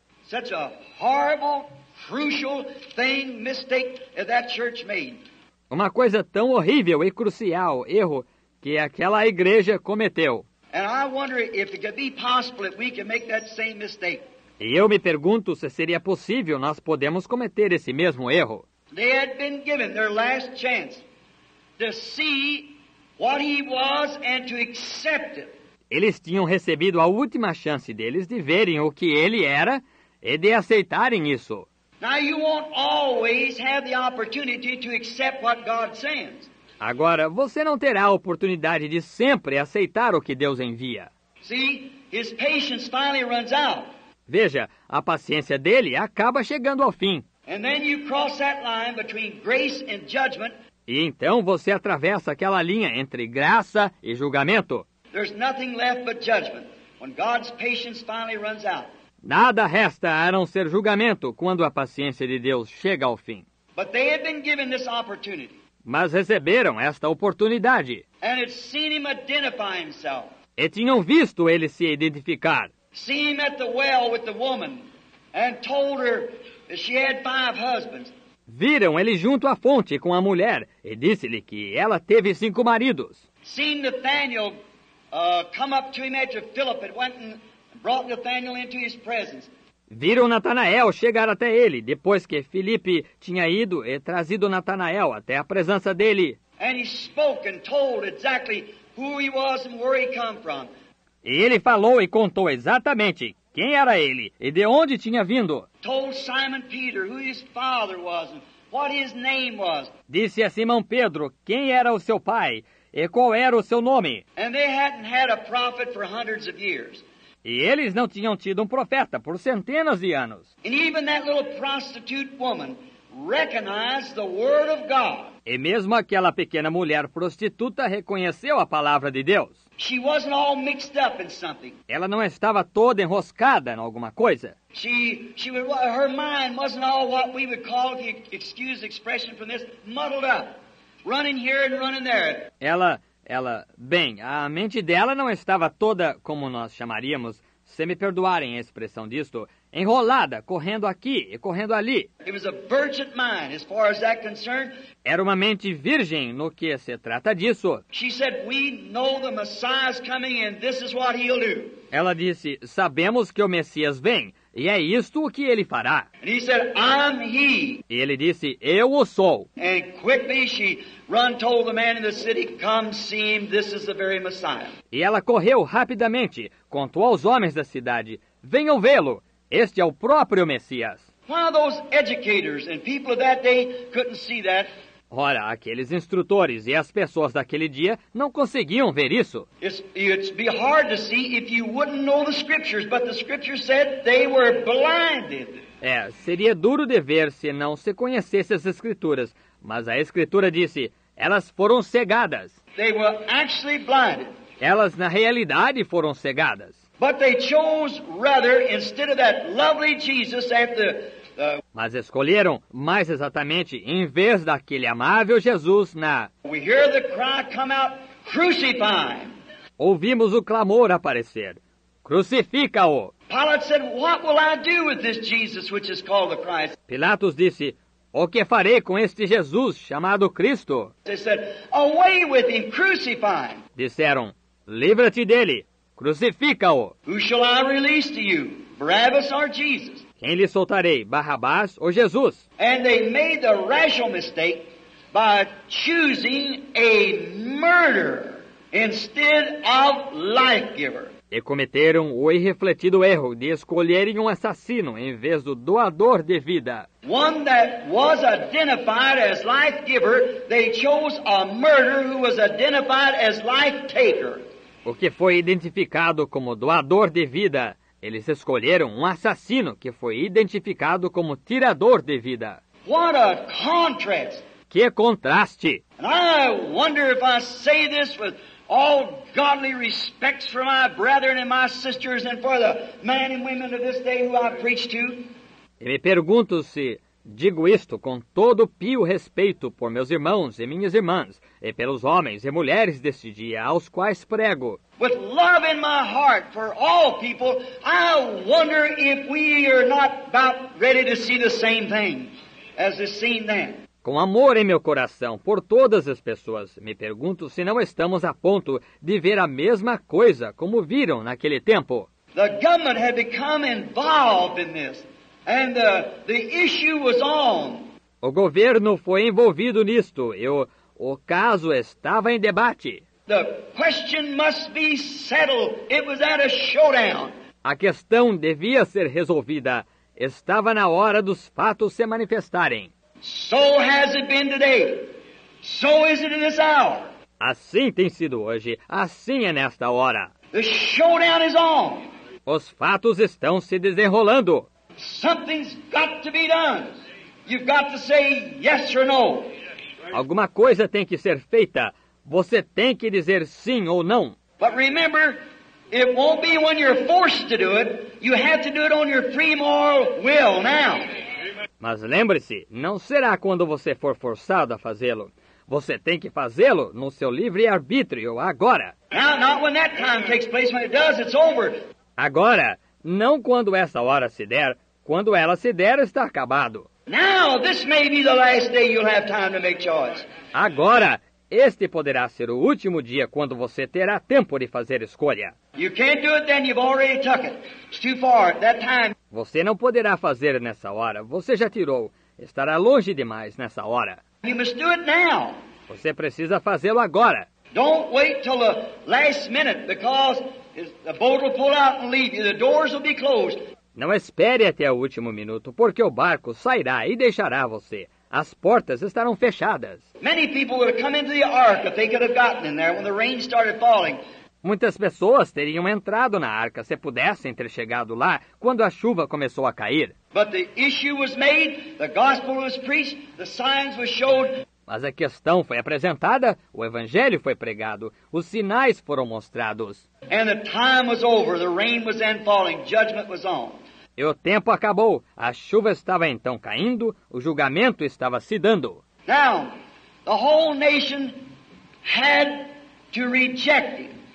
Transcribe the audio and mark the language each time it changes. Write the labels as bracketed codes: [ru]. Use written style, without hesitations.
[en] Such a horrible, crucial thing, mistake that church made. [pt] Uma coisa tão horrível e crucial, erro, que aquela igreja cometeu. [en] And I wonder if it could be possible if we could make that same mistake. [pt] E eu me pergunto se seria possível nós podemos cometer esse mesmo erro. [en] They had been given their last chance to see what he was and to accept it. [pt] Eles tinham recebido a última chance deles de verem o que ele era e de aceitarem isso. [en] Now you won't always have the opportunity to accept what God sends. [pt] Agora, você não terá a oportunidade de sempre aceitar o que Deus envia. [en] See, his patience finally runs out. [pt] Veja, a paciência dele acaba chegando ao fim. [en] And then you cross that line between grace and judgment. [pt] E então você atravessa aquela linha entre graça e julgamento. [en] There's nothing left but judgment when God's patience finally runs out. [pt] Nada resta a não ser julgamento quando a paciência de Deus chega ao fim. [en] But they had been given this opportunity. [pt] Mas receberam esta oportunidade. [en] And had seen him identify himself. [pt] E tinham visto ele se identificar. [en] Seen him at the well with the woman and told her that she had five husbands. [pt] Viram ele junto à fonte com a mulher e disse-lhe que ela teve cinco maridos. [en] Seen Nathaniel come up to him after Philip had went and brought Nathaniel into his presence. [pt] Viram Natanael chegar até ele depois que Filipe tinha ido e trazido Natanael até a presença dele. [en] And he spoke and told exactly who he was and where he come from. [pt] E ele falou e contou exatamente quem era ele e de onde tinha vindo. [en] Told Simon Peter who his father was and what his name was. [pt] Disse a Simão Pedro quem era o seu pai e qual era o seu nome. [en] And they hadn't had a prophet for hundreds of years. [pt] E eles não tinham tido um profeta por centenas de anos. [en] And even that little prostitute woman recognized the word of God. [pt] E mesmo aquela pequena mulher prostituta reconheceu a palavra de Deus. [en] She wasn't all mixed up in something. [pt] Ela não estava toda enroscada em alguma coisa. [en] Her mind wasn't all what we would call, if you excuse the expression from this, muddled up, running here and running there. [pt] Ela, a mente dela não estava toda, como nós chamaríamos, se me perdoarem a expressão disto, enrolada, correndo aqui e correndo ali. [en] It was a virgin mind, as far as that concerned. [pt] Era uma mente virgem no que se trata disso. [en] She said, "We know the Messiah's coming, and this is what he'll do." [pt] Ela disse, "Sabemos que o Messias vem, e é isto o que ele fará." [en] And he said, "I'm he." [pt] E ele disse, "Eu o sou." [en] And quickly she run told the man in the city, "Come see him. This is the very Messiah." [pt] E ela correu rapidamente, contou aos homens da cidade, "Venham vê-lo. Este é o próprio Messias." [en] Why those educators and people of that day couldn't see that? [pt] Ora, aqueles instrutores e as pessoas daquele dia não conseguiam ver isso. [en] It's be hard to see if you wouldn't know the scriptures, but the scriptures said they were blinded. [pt] É, seria duro de ver se não se conhecesse as escrituras, mas a escritura disse, elas foram cegadas. [en] They were actually blinded. [pt] Elas na realidade foram cegadas. [en] But they chose rather instead of that lovely Jesus after the [pt] Mas escolheram mais exatamente em vez daquele amável Jesus na [en] We hear the cry come out, crucify. [pt] Ouvimos o clamor aparecer. Crucifica-o. [en] Pilate said, "What will I do with this Jesus which is called the Christ?" [pt] Pilatos disse, "O que farei com este Jesus chamado Cristo?" [en] They said, "Away with him, crucify." [pt] Disseram, "Livra-te dele. Crucifica-o." [en] Who shall I release to you, Barabbas or Jesus? [pt] Quem lhe soltarei, Barrabás ou Jesus? [en] And they made the rational mistake by choosing a murderer instead of life giver. [pt] E cometeram o irrefletido erro de escolherem um assassino em vez do doador de vida. [en] One that was identified as life giver, they chose a murderer who was identified as life taker. [pt] O que foi identificado como doador de vida, eles escolheram um assassino que foi identificado como tirador de vida. [en] What a contrast! [pt] Que contraste! [en] And I wonder if I say this with all godly respects for my brethren and my sisters and for the men and women of this day who I preach to. [pt] E me pergunto se digo isto com todo pio respeito por meus irmãos e minhas irmãs, e pelos homens e mulheres deste dia aos quais prego. [en] With love in my heart for all people, I wonder if we are not about ready to see the same thing as is seen then. [pt] Com amor em meu coração por todas as pessoas, me pergunto se não estamos a ponto de ver a mesma coisa como viram naquele tempo. [en] The government had become involved in this. And the issue was on. [pt] O governo foi envolvido nisto. O caso estava em debate. [en] The question must be settled. It was at a showdown. [pt] A questão devia ser resolvida. Estava na hora dos fatos se manifestarem. [en] So has it been today. So is it in this hour. [pt] Assim tem sido hoje. Assim é nesta hora. [en] The showdown is on. [pt] Os fatos estão se desenrolando. [en] Something's got to be done. You've got to say yes or no. [pt] Alguma coisa tem que ser feita. Você tem que dizer sim ou não. [en] But remember, it won't be when you're forced to do it. You have to do it on your free moral will now. [pt] Mas lembre-se, não será quando você for forçado a fazê-lo. Você tem que fazê-lo no seu livre arbítrio agora. [en] Now, not when that time takes place. When it does, it's over. [pt] Agora, não quando essa hora se der. Quando ela se der, está acabado. [en] Now, this may be the last day you'll have time to make choice. [pt] Agora, este poderá ser o último dia quando você terá tempo de fazer escolha. [en] You can't do it then, you've already took it. It's too far at that time. [pt] Você não poderá fazer nessa hora. Você já tirou. Estará longe demais nessa hora. [en] You must do it now. [pt] Você precisa fazê-lo agora. [en] Don't wait till the last minute, because the boat will pull out and leave you. The doors will be closed. [pt] Não espere até o último minuto, porque o barco sairá e deixará você. As portas estarão fechadas. [en] Many people would have come into the ark if they could have gotten in there when the rain started falling. [pt] Muitas pessoas teriam entrado na arca se pudessem ter chegado lá quando a chuva começou a cair. [en] But the issue was made, the gospel was preached, the signs were shown. [pt] Mas a questão foi apresentada, o evangelho foi pregado, os sinais foram mostrados. [en] And the time was over, the rain was then falling, judgment was on. [pt] E o tempo acabou, a chuva estava então caindo, o julgamento estava se dando. [en] Now, the whole nation had to reject him.